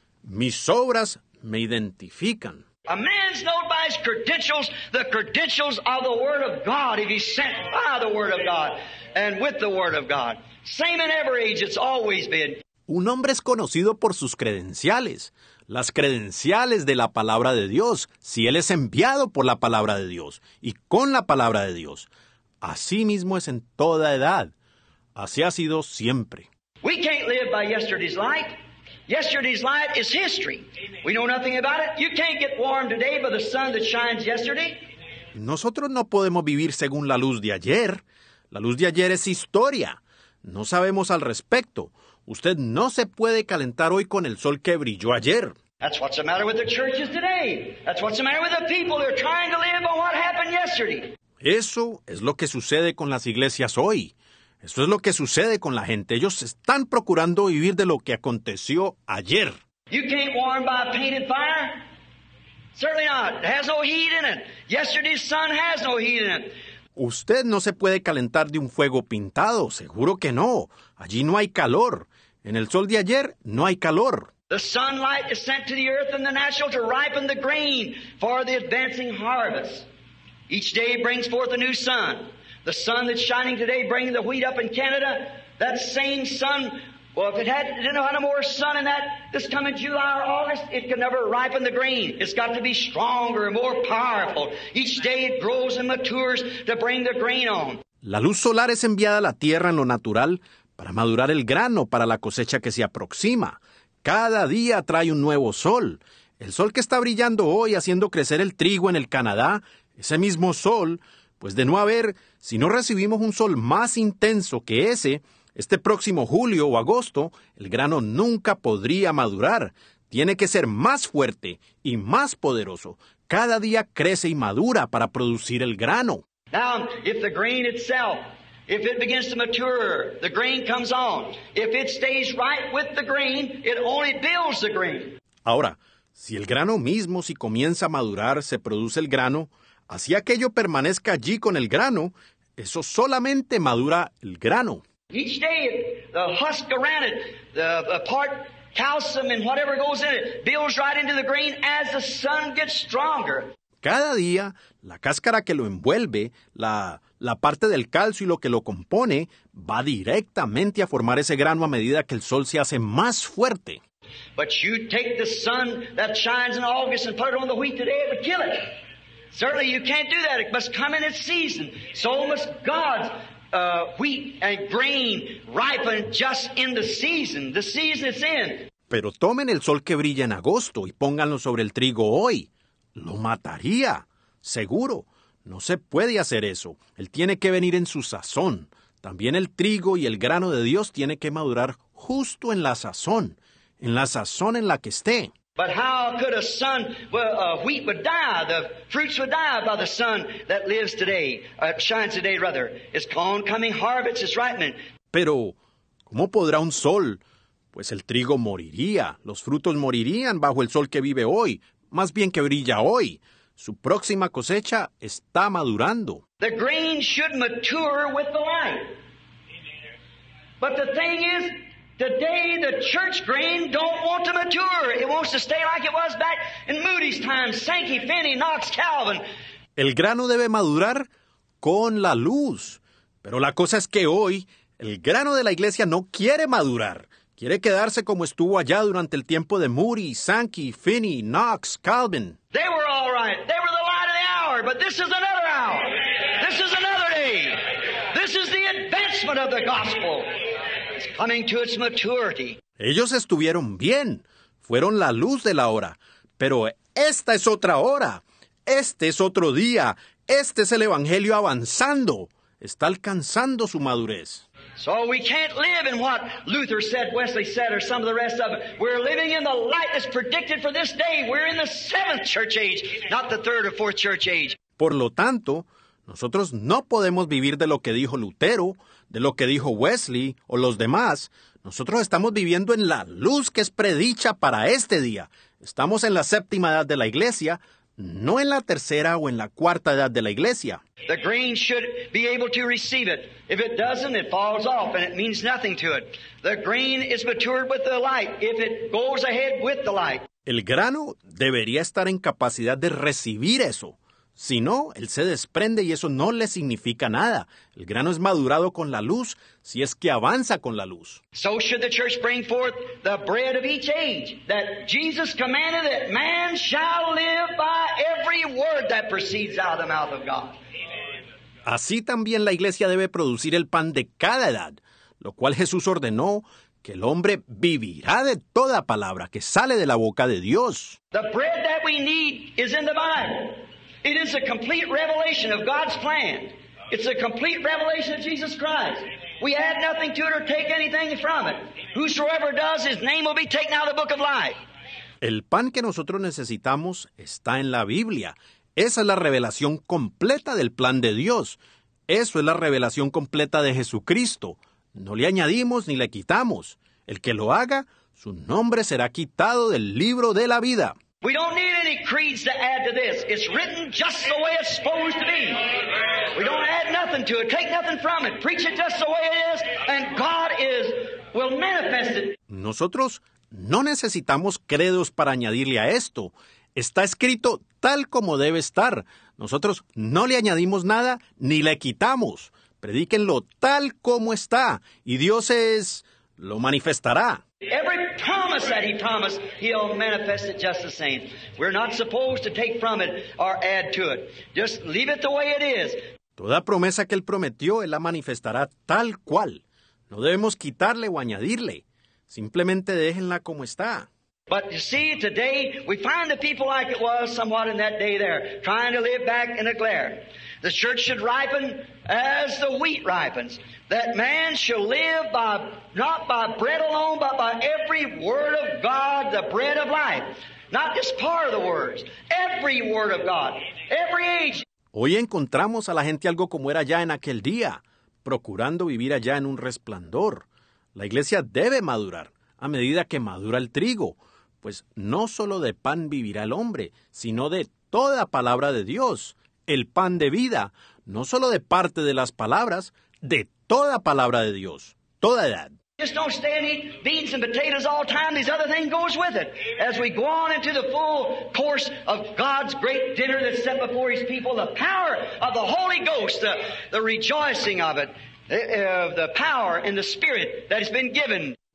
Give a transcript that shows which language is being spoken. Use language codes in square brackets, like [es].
[es] Mis obras me identifican. [en] A man's known by his credentials, the credentials of the Word of God, if he's sent by the Word of God and with the Word of God. Same in every age, it's always been. [es] Un hombre es conocido por sus credenciales, las credenciales de la palabra de Dios, si él es enviado por la palabra de Dios y con la palabra de Dios. Así mismo es en toda edad. Así ha sido siempre. [en] We can't live by yesterday's light. Yesterday's light is history. We know nothing about it. You can't get warm today by the sun that shines yesterday. [es] Nosotros no podemos vivir según la luz de ayer. La luz de ayer es historia. No sabemos al respecto. Usted no se puede calentar hoy con el sol que brilló ayer. [en] That's what's the matter with the churches today. That's what's the matter with the people. They're trying to live on what happened yesterday. [es] Eso es lo que sucede con las iglesias hoy. Eso es lo que sucede con la gente. Ellos están procurando vivir de lo que aconteció ayer. [en] You can't warm by a painted fire. Certainly not. It has no heat in it. Yesterday's sun has no heat in it. [es] Usted no se puede calentar de un fuego pintado. Seguro que no. Allí no hay calor. En el sol de ayer no hay calor. [en] The sunlight is sent to the earth and the natural to ripen the grain for the advancing harvest. Each day brings forth a new sun. The sun that's shining today bringing the wheat up in Canada, that same sun, well, if it had, didn't have any more sun in that this coming July or August, it could never ripen the grain. It's got to be stronger and more powerful. Each day it grows and matures to bring the grain on. [es] La luz solar es enviada a la tierra en lo natural para madurar el grano para la cosecha que se aproxima. Cada día trae un nuevo sol. El sol que está brillando hoy haciendo crecer el trigo en el Canadá, ese mismo sol, pues de no haber, si no recibimos un sol más intenso que ese, este próximo julio o agosto, el grano nunca podría madurar. Tiene que ser más fuerte y más poderoso. Cada día crece y madura para producir el grano. [en] Now, if the grain itself, if it begins to mature, the grain comes on. If it stays right with the grain, it only builds the grain. [es] Ahora, si el grano mismo, si comienza a madurar, se produce el grano, así aquello permanezca allí con el grano, eso solamente madura el grano. [en] Each day, the husk around it, the part calcium and whatever goes in it, builds right into the grain as the sun gets stronger. [es] Cada día, la cáscara que lo envuelve, la parte del calcio y lo que lo compone, va directamente a formar ese grano a medida que el sol se hace más fuerte. [en] But you take the sun that shines in August and put it on the wheat today, it would kill it. Certainly you can't do that. It must come in its season. So must God's wheat and grain ripen just in the season it's in. [es] Pero tomen el sol que brilla en agosto y pónganlo sobre el trigo hoy. Lo mataría. Seguro. No se puede hacer eso. Él tiene que venir en su sazón. También el trigo y el grano de Dios tiene que madurar justo en la sazón. En la sazón en la que esté. [en] But how could a sun, well, wheat would die, the fruits would die by the sun that lives today, shines today rather. It's corn coming, harvest is ripening. [es] Pero, ¿cómo podrá un sol? Pues el trigo moriría, los frutos morirían bajo el sol que vive hoy, más bien que brilla hoy. Su próxima cosecha está madurando. [en] The grain should mature with the light. But the thing is, today, the church grain don't want to mature. It wants to stay like it was back in Moody's time, Sankey, Finney, Knox, Calvin. [es] El grano debe madurar con la luz. Pero la cosa es que hoy, el grano de la iglesia no quiere madurar. Quiere quedarse como estuvo allá durante el tiempo de Moody, Sankey, Finney, Knox, Calvin. [en] They were all right. They were the light of the hour. But this is another hour. This is another day. This is the advancement of the gospel. Coming to its maturity. [es] Ellos estuvieron bien. Fueron la luz de la hora. Pero esta es otra hora. Este es otro día. Este es el evangelio avanzando. Está alcanzando su madurez. [en] So we can't live in what Luther said, Wesley said, or some of the rest of it. We're living in the light that's predicted for this day. We're in the seventh church age, not the third or fourth church age. [es] Por lo tanto, nosotros no podemos vivir de lo que dijo Lutero, de lo que dijo Wesley o los demás. Nosotros estamos viviendo en la luz que es predicha para este día. Estamos en la séptima edad de la iglesia, no en la tercera o en la cuarta edad de la iglesia. [en] The grain should be able to receive it. If it doesn't, it falls off and it means nothing to it. The grain is matured with the light if it goes ahead with the light. [es] El grano debería estar en capacidad de recibir eso. Si no, él se desprende y eso no le significa nada. El grano es madurado con la luz si es que avanza con la luz. [en] So should the church bring forth the bread of each age that Jesus commanded that man shall live by every word that proceeds out of the mouth of God. [es] Así también la iglesia debe producir el pan de cada edad, lo cual Jesús ordenó que el hombre vivirá de toda palabra que sale de la boca de Dios. [en] The bread that we need is in the Bible. It is a complete revelation of God's plan. It's a complete revelation of Jesus Christ. We add nothing to it or take anything from it. Whosoever does, his name will be taken out of the book of life. [es] El pan que nosotros necesitamos está en la Biblia. Esa es la revelación completa del plan de Dios. Eso es la revelación completa de Jesucristo. No le añadimos ni le quitamos. El que lo haga, su nombre será quitado del libro de la vida. [en] We don't need any creeds to add to this. It's written just the way it's supposed to be. We don't add nothing to it, take nothing from it. Preach it just the way it is, and God will manifest it. [es] Nosotros no necesitamos credos para añadirle a esto. Está escrito tal como debe estar. Nosotros no le añadimos nada ni le quitamos. Predíquenlo tal como está, y Dios es... lo manifestará. [en] Every promise that he promised, he'll manifest it just the same. We're not supposed to take from it or add to it. Just leave it the way it is. [es] Toda promesa que él prometió, él la manifestará tal cual. No debemos quitarle o añadirle. Simplemente déjenla como está. [en] But you see, today we find the people like it was somewhat in that day there, trying to live back in a glare. The church should ripen as the wheat ripens, that man shall live by not by bread alone, but by every word of God, the bread of life. Not just part of the words, every word of God, every age. [es] Hoy encontramos a la gente algo como era ya en aquel día, procurando vivir allá en un resplandor. La iglesia debe madurar a medida que madura el trigo, pues no solo de pan vivirá el hombre, sino de toda palabra de Dios. El pan de vida, no solo de parte de las palabras, de toda palabra de Dios, toda edad. [en] Just don't stay and eat beans and potatoes all the time. These other things goes with it. As we go on into the full course of God's great dinner that's set before His people, the power of the Holy Ghost, the rejoicing of it, the power in the Spirit that has been given.